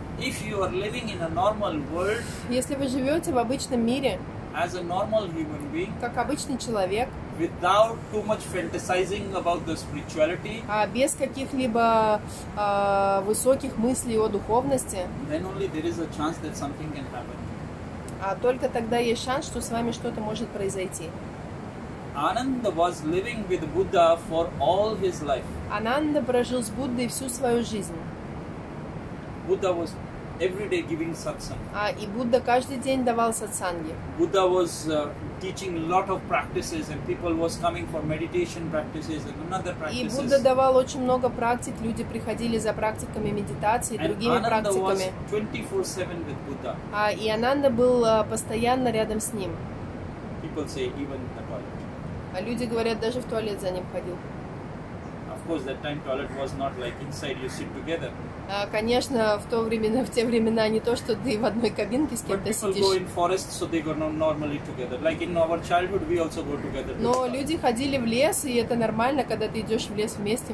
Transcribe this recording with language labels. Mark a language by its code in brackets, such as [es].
[en] If you are living in a normal world, [ru] если вы живете в обычном мире, [en] as a normal human being, [ru] как обычный человек, [en] without too much fantasizing about the spirituality, [ru] без каких-либо высоких мыслей о духовности, [en] then only there is a chance that something can happen. [ru] А только тогда есть шанс, что с вами что-то может произойти. [en] Ananda was living with Buddha for all his life. [ru] Ананда прожил с Буддой всю свою жизнь. [en] Buddha was every day giving satsang. [ru] И Будда каждый день давал сатсанги. [en] Buddha was teaching lot of practices and people was coming for meditation practices and another practices. [ru] И Будда давал очень много практик, люди приходили за практиками медитации и другими [en] Ananda [ru] практиками. [en] Ananda was 24/7 with Buddha. [ru] И Ананда был постоянно рядом с ним. [en] People say even in the toilet. [ru] Люди говорят, даже в туалет за ним ходил. [en] Of course, that time toilet was not like inside you sit together. [ru] Конечно, в те времена не то, что ты в одной кабинке с кем-то сидишь. Но люди ходили в лес, и это нормально, когда ты идешь в лес вместе.